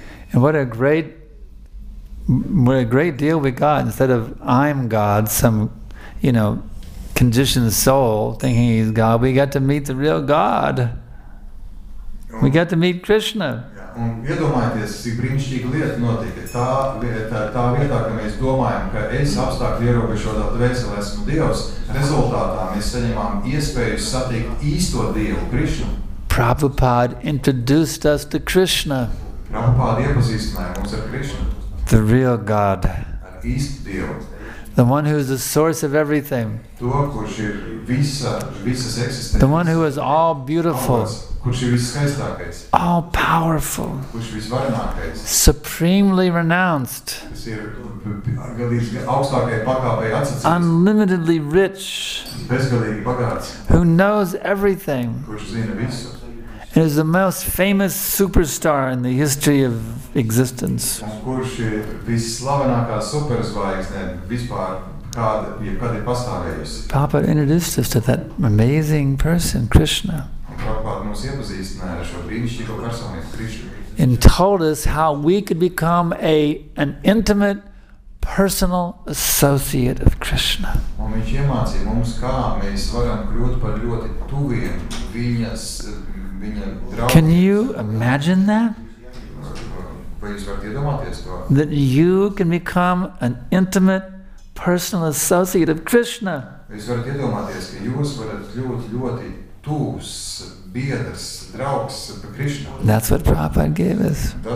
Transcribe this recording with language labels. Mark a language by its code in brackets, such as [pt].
[en] And what a great deal we got, instead of I'm God, some, you know, conditioned soul thinking he's God, we got to meet the real God. We got to meet Krishna. [lv] Un iedomājieties, cik brīnišķīga lieta notiek. Tā vietā, ka mēs domājam, ka es apstākļu ierobežotā dvēseli esmu Dievs, rezultātā mēs saņemām iespēju satikt īsto Dievu, Krišnu. [en] Prabhupāda introduced us to Krishna. [lv] Prabhupāda iepazīstināja mums ar Krišnu. [en] The real God. [lv] Ar īstu Dievu. [en] The one who is the source of everything. [lv] To, kurš ir visas eksistences. [en] The one who is all beautiful. [lv] Kurš ir visskaistākais. [en] All powerful. [lv] Kurš visvarenākais. [en] Supremely renounced. [lv] Kas ir galīgi augstākajai pakāpei atsacīts. [en] Unlimitedly rich. [lv] Bezgalīgi bagāts. [en] Who knows everything. [lv] Kurš zina visu. [en] And is the most famous superstar in the history of existence. [lv] Kurš ir visslavenākā superzvaigzne vispār, kāda jebkad ir pastāvējusi. [en] Prabhupāda introduced us to that amazing person, Krishna. [lv] Prabhupāda mums iepazīstināja ar šo brīnišķīgo personību, Krishna. [en] And told us how we could become an intimate, personal associate of Krishna. [lv] Un viņš iemācīja mums, kā mēs varam kļūt par ļoti tuviem viņas. [en] Can you imagine that? That you can become an intimate, personal associate of Krishna. That's what Prabhupada gave us.